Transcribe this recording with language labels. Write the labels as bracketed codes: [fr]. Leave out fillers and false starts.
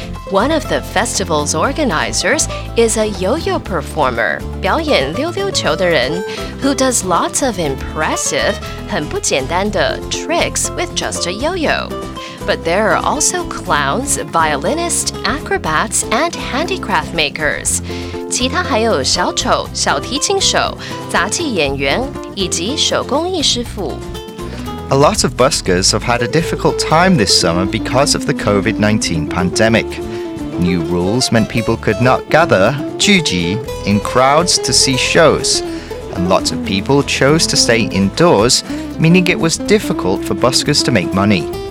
[en] One of the festival's organizers is a yo-yo performer, [zh] 表演溜溜球的人, [en] who does lots of impressive, [zh] 很不简单的 [en] tricks with just a yo-yo. But there are also clowns, violinists, acrobats, and handicraft makers. [zh] 其他还有小丑、小提琴手、杂技演员以及手工艺师傅。 [en] A lot of buskers have had a difficult time this summer because of the COVID-19 pandemic. New rules meant people could not gather, [zh] 聚集, [en] in crowds to see shows. And lots of people chose to stay indoors, meaning it was difficult for buskers to make money.